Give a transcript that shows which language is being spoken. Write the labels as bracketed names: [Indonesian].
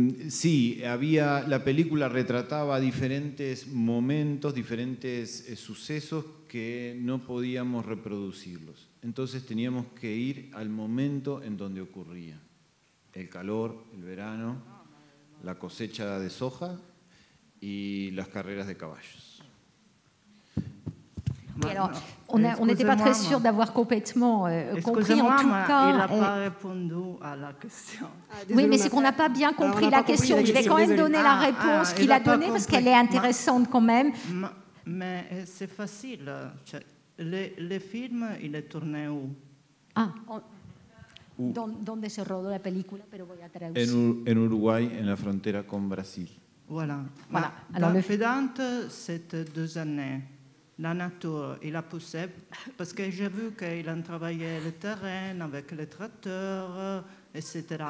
[Spanish] sí, había la película retrataba diferentes momentos, diferentes sucesos que no podíamos reproducirlos. Entonces teníamos que ir al momento en donde ocurría. El calor, el verano, la cosecha de soja y las carreras de caballos. [French] Alors, on n'était pas très sûr d'avoir complètement compris en tout cas. Il n'a pas répondu à la question. Oui, mais c'est qu'on n'a pas bien compris la question. Je vais quand même donner la réponse qu'il a donnée parce qu'elle est intéressante quand même. Mais c'est facile. Le film, il est tourné où? [Spanish] Ah, donde se rodó la película, pero voy a traducir. En Uruguay, en la frontera con Brasil. [French] Voilà. Alors, le pendant cette deux années. La nature, il a poussé, parce que j'ai vu qu'il a travaillé le terrain avec les tracteurs, etc.